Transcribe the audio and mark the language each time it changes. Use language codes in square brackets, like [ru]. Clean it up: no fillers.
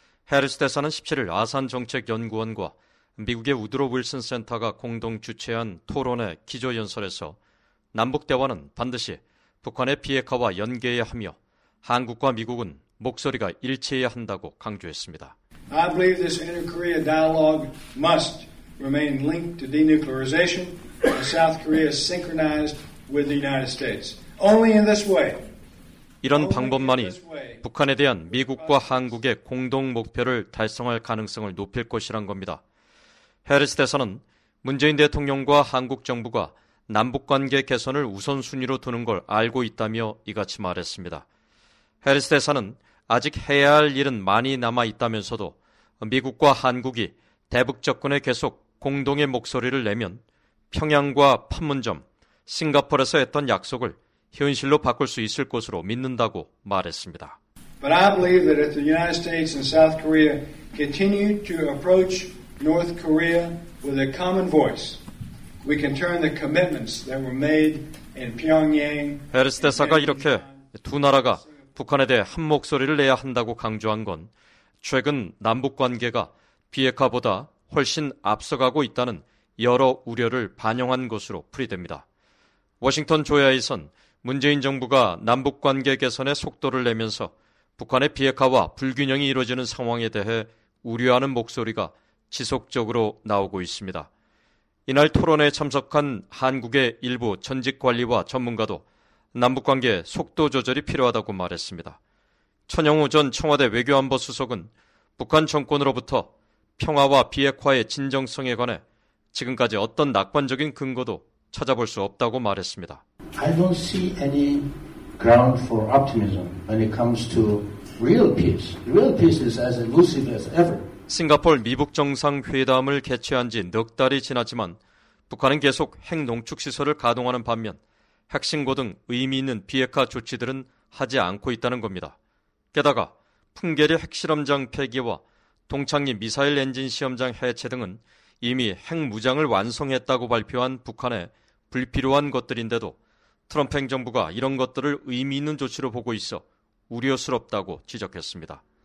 [ko] 해리스 대사는 17일 아산정책연구원과 미국의 우드로 윌슨 센터가 공동 주최한 토론회 기조연설에서 남북 대화는 반드시 북한의 비핵화와 연계해야 하며 한국과 미국은 목소리가 일치해야 한다고 강조했습니다. [en] I believe this inter-Korea dialogue must remain linked to denuclearization and South Korea synchronized with the United States. Only in this way. [ko] 이런 방법만이 북한에 대한 미국과 한국의 공동 목표를 달성할 가능성을 높일 것이란 겁니다. 해리스 대사는 문재인 대통령과 한국 정부가 남북관계 개선을 우선순위로 두는 걸 알고 있다며 이같이 말했습니다. 해리스 대사는 아직 해야 할 일은 많이 남아있다면서도 미국과 한국이 대북 접근에 계속 공동의 목소리를 내면 평양과 판문점, 싱가포르에서 했던 약속을 현실로 바꿀 수 있을 것으로 믿는다고 말했습니다. [en] But I believe that if the United States and South Korea continue to approach North Korea with a common voice, we can turn the commitments that were made in Pyongyang. [ko] 해리스 대사가 이렇게 두 나라가 북한에 대해 한 목소리를 내야 한다고 강조한 건 최근 남북 관계가 비핵화보다 훨씬 앞서가고 있다는 여러 우려를 반영한 것으로 풀이됩니다. 워싱턴 조야에선 문재인 정부가 남북관계 개선에 속도를 내면서 북한의 비핵화와 불균형이 이루어지는 상황에 대해 우려하는 목소리가 지속적으로 나오고 있습니다. 이날 토론회에 참석한 한국의 일부 전직 관리와 전문가도 남북관계 속도 조절이 필요하다고 말했습니다. 천영우 전 청와대 외교안보 수석은 북한 정권으로부터 평화와 비핵화의 진정성에 관해 지금까지 어떤 낙관적인 근거도 찾아볼 수 없다고 말했습니다. [en] I don't see any ground for optimism when it comes to real peace. Real peace is as elusive as ever. [ko] 싱가포르 미북 정상 회담을 개최한 지 넉 달이 지났지만 북한은 계속 핵 농축 시설을 가동하는 반면 핵신고 등 의미 있는 비핵화 조치들은 하지 않고 있다는 겁니다. 게다가 풍계리 핵실험장 폐기와 동창리 미사일 엔진 시험장 해체 등은 이미 핵무장을 완성했다고 발표한 북한의 불필요한 것들인데도 트럼프 행정부가 이런 것들을 의미 있는 조치로 보고 있어 우려스럽다고 지적했습니다.